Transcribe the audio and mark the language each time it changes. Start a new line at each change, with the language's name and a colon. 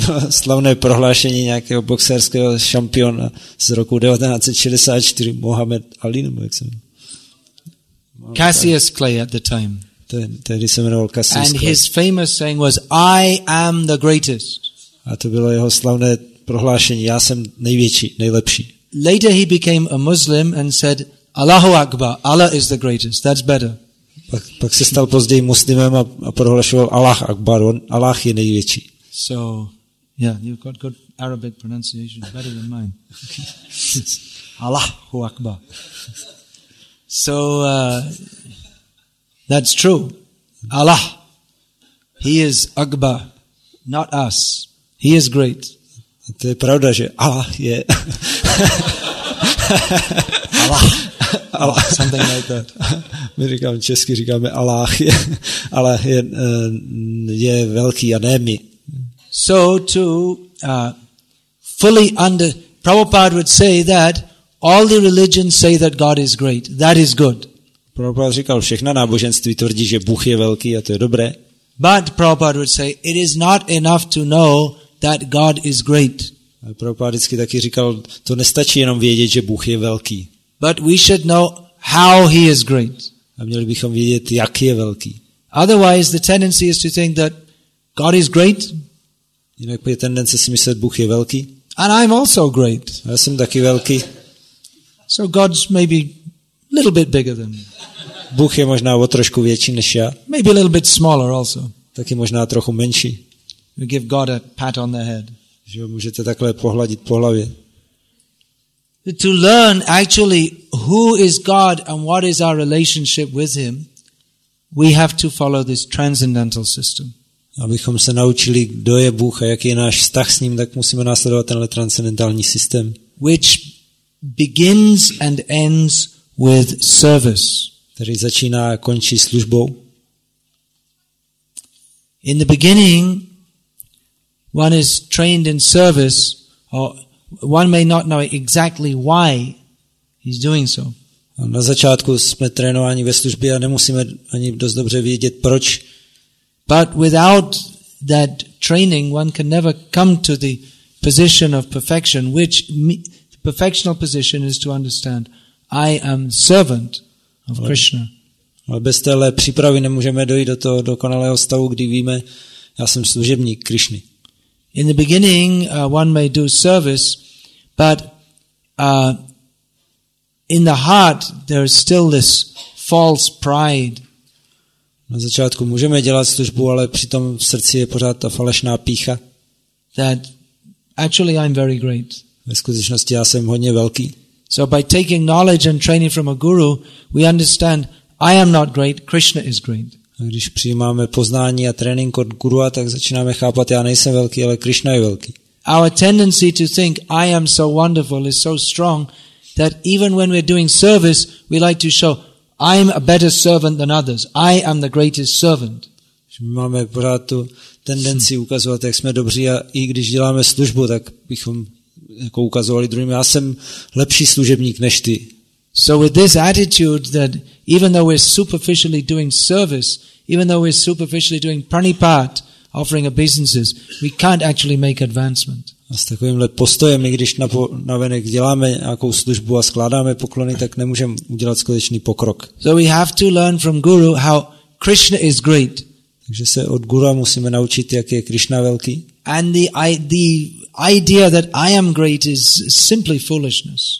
Czech: Slavné prohlášení nějakého boxerského šampiona z roku 1964, Muhammad Ali, nebo jak se jmenuje?
English: Cassius Clay at the time.
Czech: Tehdy se jmenoval Cassius Clay.
English: And his famous saying was, I am the greatest.
Czech: A to bylo jeho slavné prohlášení, já jsem největší, nejlepší.
English: Later he became a Muslim and said,
Arabic: Allahu Akbar,
English: Allah is the greatest, that's better.
Czech: Pak se stal později muslimem a prohlašoval
Arabic: Allah Akbar,
Czech: on, Allah je největší.
English: So, yeah, you've got good Arabic pronunciation, better than mine.
Arabic: Allahu Akbar.
English: So, that's true. Allah, he is Akbar, not us. He is great.
Czech: To je pravda, že Allah je.
English: Allah. Allah. Something like that.
Czech: My říkáme česky, říkáme Allah je. Allah je velký a ne my.
English: So to fully under, Prabhupada would say that all the religions say that God is great. That is good.
Czech: Prabhupada říkal, všechna náboženství tvrdí, že Bůh je velký a to je dobré.
English: But Prabhupada would say, it is not enough to know that God is great.
Czech: Prabhupada vždycky taky říkal, to nestačí jenom vědět, že Bůh je velký.
English: But we should know how he is great.
Czech: A měli bychom vědět, jak je velký.
English: Otherwise, the tendency is to think that God is great.
Czech: Jinak je tendence si myslet, že Bůh je velký.
English: And I'm also great.
Czech: Já jsem taky velký.
English: So God's maybe a little bit bigger than me.
Czech: Bůh je možná o trošku větší než já.
English: Maybe a little bit smaller also.
Czech: Taky možná trochu menší.
English: You give God a pat on the head.
Czech: Že ho můžete takhle pohladit po hlavě.
English: To learn actually who is God and what is our relationship with him, we have to follow this transcendental system.
Czech: Abychom se naučili, kdo je Bůh a jaký je náš vztah s ním, tak musíme následovat tenhle transcendentální systém.
English: Which begins and ends with service.
Czech: Který začíná a končí službou.
English: In the beginning, one is trained in service, or one may not know exactly why he's doing so.
Czech: Na začátku jsme trénováni ve službě a nemusíme ani dost dobře vědět proč.
English: But without that training, one can never come to the position of perfection, which the perfectional position is to understand, I am servant of Krishna.
Czech: Ale bez téhle přípravy nemůžeme dojít do toho dokonalého stavu, kdy víme, já jsem služebník Krišny.
English: In the beginning, one may do service, but in the heart, there is still this false pride.
Czech: Na začátku můžeme dělat službu, ale přitom v srdci je pořád ta falešná pýcha.
English: That actually I'm very great.
Czech: Ve skutečnosti já jsem hodně velký.
English: So by taking knowledge and training from a guru, we understand I am not great, Krishna is great.
Czech: A když přijímáme poznání a trénink od gurua, tak začínáme chápat, já nejsem velký, ale Krishna je velký.
English: Our tendency to think I am so wonderful is so strong that even when we're doing service, we like to show I'm a better servant than others. I am the greatest servant.
Czech: Máme pořád tu tendenci ukazovat, jak jsme dobří a i když děláme službu, tak bychom jako ukazovali druhým, já jsem lepší služebník než ty.
English: So with this attitude that even though we're superficially doing service, even though we're superficially doing pranipat, offering obeisances, we can't actually make advancement.
Czech: A s takovýmhle postojem, i když navenek děláme nějakou službu a skládáme poklony, tak nemůžeme udělat skutečný pokrok.
English: So we have to learn from guru how Krishna is great.
Czech: Takže se od gura musíme naučit, jak je Krishna velký.
English: And the idea that I am great is simply foolishness.